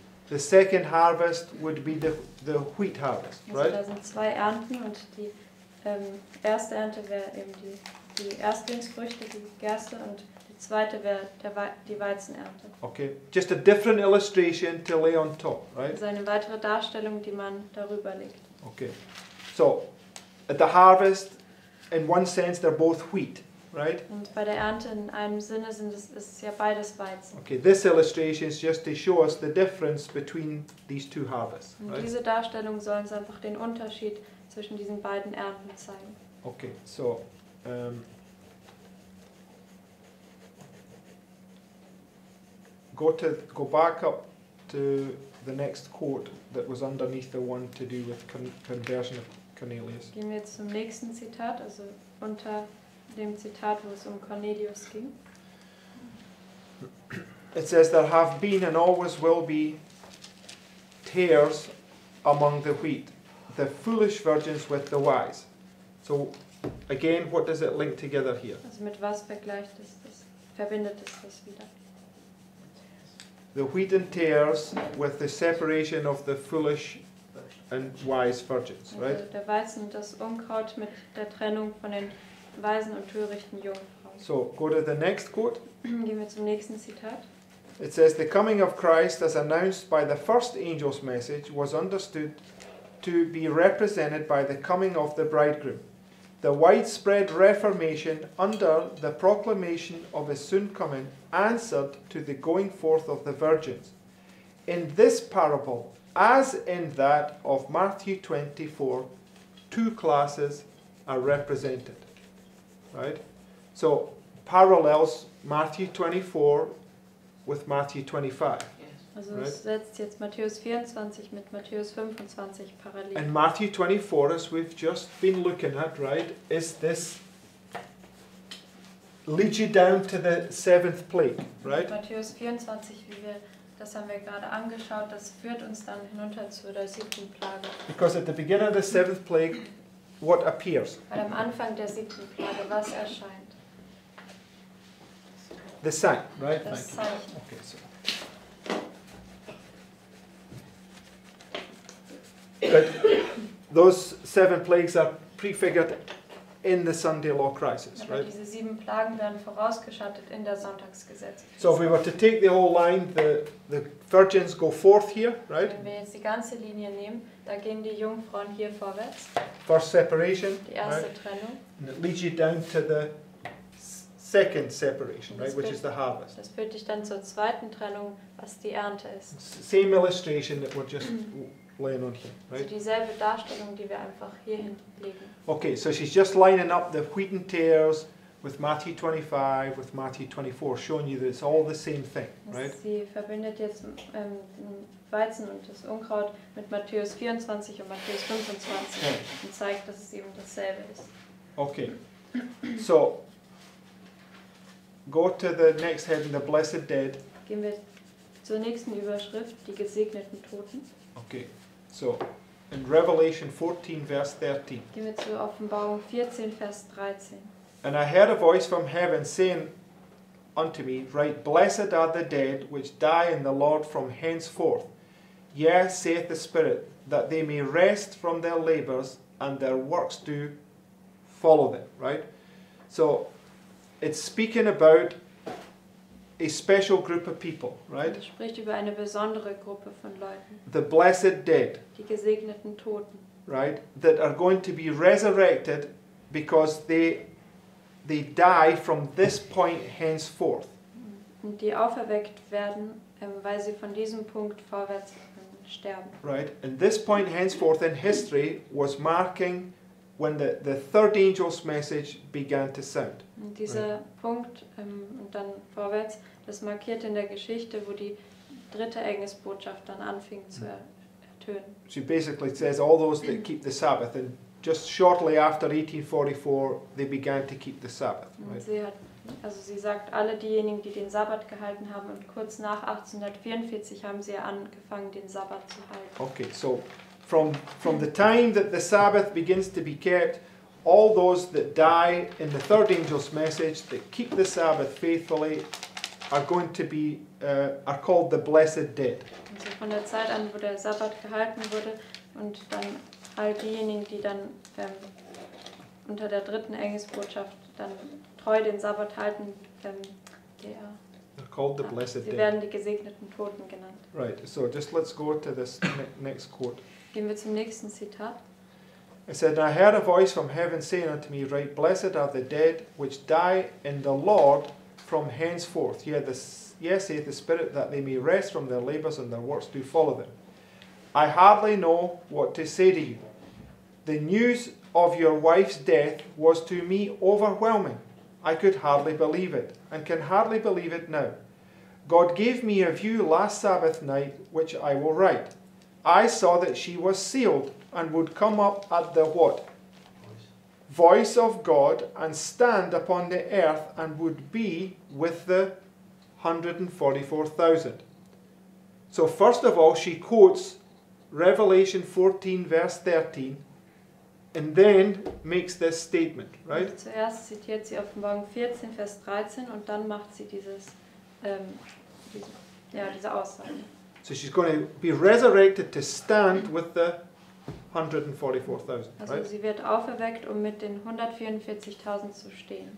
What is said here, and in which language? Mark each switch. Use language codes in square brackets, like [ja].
[en] The second harvest would be the wheat harvest, right? [de] Also da sind zwei Ernten und die erste Ernte wäre eben die Erstlingsfrüchte, die Gerste, und die zweite wäre die Weizenernte. [en] Okay, just a different illustration to lay on top, right? [de] Also eine weitere Darstellung, die man darüber legt. [en] Okay, so at the harvest, in one sense, they're both wheat, right? [de] Und bei der Ernte in einem Sinne ist es ja beides Weizen. [en] Okay, this illustration is just to show us the difference between these two harvests. [de] Und [en] right? [de] Diese Darstellung soll uns einfach den Unterschied zwischen diesen beiden Ernten zeigen. [en] Okay, so. Go back up to the next quote that was underneath the one to do with conversion of Cornelius. [de] Gehen wir jetzt zum nächsten Zitat, also unter dem Zitat, wo es Cornelius ging. [en] It says, there have been and always will be tares among the wheat, the foolish virgins with the wise. So, again, what does it link together here? [de] Also mit was vergleicht es das? Verbindet es das wieder? [en] The wheat and tares with the separation of the foolish and wise virgins, [de] also [en] right? [de] Der Weizen und das Unkraut mit der Trennung von den weisen und törichten Jungfrauen. [en] So, go to the next quote. [de] Gehen wir zum nächsten Zitat. [en] It says, the coming of Christ, as announced by the first angel's message, was understood to be represented by the coming of the bridegroom. the widespread reformation under the proclamation of his soon coming answered to the going forth of the virgins. In this parable, as in that of Matthew 24, two classes are represented. Right? So, parallels Matthew 24 with Matthew 25. [de] Also setzt jetzt Matthäus 24 mit Matthäus 25 parallel. [en] And Matthew 24, as we've just been looking at, right, is this, leads you down to the seventh plague, right? [de] Matthäus 24, wie wir, das haben wir gerade angeschaut, das führt uns dann hinunter zu der siebten Plage. [en] Because at the beginning of the seventh plague, what appears? [de] Weil am Anfang der siebten Plage, was erscheint? [en] The sign, right? [de] Das Zeichen. [en] Okay, so. But those seven plagues are prefigured in the Sunday law crisis, right? [de] Diese sieben Plagen werden vorausgeschattet in der Sonntagsgesetzkrise. [en] So if we were to take the whole line, the virgins go forth here, right? [de] Wenn wir jetzt die ganze Linie nehmen, da gehen die Jungfrauen hier vorwärts. [en] First separation, [de] die erste, [en] right? [de] Trennung. [en] And it leads you down to the second separation, right, which is the harvest. [de] Das führt dich dann zur zweiten Trennung, was die Ernte ist. [en] Same illustration that we're just laying on here, right? [de] So dieselbe Darstellung, die wir einfach hier hinlegen. [en] Okay, so she's just lining up the wheat and tares with Matthew 25, with Matthew 24, showing you that it's all the same thing, right? [de] Sie verbindet jetzt den Weizen und das Unkraut mit Matthäus 24 und Matthäus 25, okay, und zeigt, dass es eben dasselbe ist. [en] Okay, so go to the next heading, the blessed dead. [de] Gehen wir zur nächsten Überschrift, die gesegneten Toten. [en] Okay, so in Revelation 14, verse 13. [de] Gehen wir zu Offenbarung 14, Vers 13. [en] And I heard a voice from heaven saying unto me, write, blessed are the dead which die in the Lord from henceforth. Yea, saith the Spirit, that they may rest from their labors, and their works do follow them. Right? So it's speaking about a special group of people, right? [de] Es spricht über eine besondere Gruppe von Leuten. [en] The blessed dead. [de] Die gesegneten Toten. [en] Right? That are going to be resurrected because they die from this point henceforth. [de] Und die auferweckt werden, weil sie von diesem Punkt vorwärts sterben. [en] Right? And this point henceforth in history was marking when the third angel's message began to sound. [de] Und dieser, right, Punkt, und dann vorwärts, das markiert in der Geschichte, wo die dritte Engelsbotschaft dann anfing zu ertönen. [en] She basically says all those that keep the Sabbath, and just shortly after 1844 they began to keep the Sabbath. Right? [de] Sie hat, also sie sagt, alle diejenigen, die den Sabbat gehalten haben, und kurz nach 1844 haben sie angefangen, den Sabbat zu halten. [en] Okay, so from the time that the Sabbath begins to be kept, all those that die in the third angel's message that keep the Sabbath faithfully are going to be are called the blessed dead. [de] Und so von der Zeit an, wo der Sabbat gehalten wurde, und dann all diejenigen, die dann unter der dritten Engelsbotschaft dann treu den Sabbat halten, sie werden die gesegneten Toten genannt. [en] Right. So just let's go to this next quote. [de] Gehen wir zum nächsten Zitat. [en] It said, I heard a voice from heaven saying unto me, write, blessed are the dead which die in the Lord from henceforth. Yea, saith the Spirit, that they may rest from their labors, and their works do follow them. I hardly know what to say to you. The news of your wife's death was to me overwhelming. I could hardly believe it, and can hardly believe it now. God gave me a view last Sabbath night, which I will write. I saw that she was sealed and would come up at the what? Voice of God, and stand upon the earth, and would be with the 144,000. So first of all, she quotes Revelation 14, verse 13, and then makes this statement, right? [de] Zuerst zitiert sie Offenbarung 14, Vers 13, und dann macht sie dieses, diese Aussage. [en] So she's going to be resurrected to stand with the 144,000, right? [de] Also sie wird auferweckt, um mit den 144,000 zu stehen.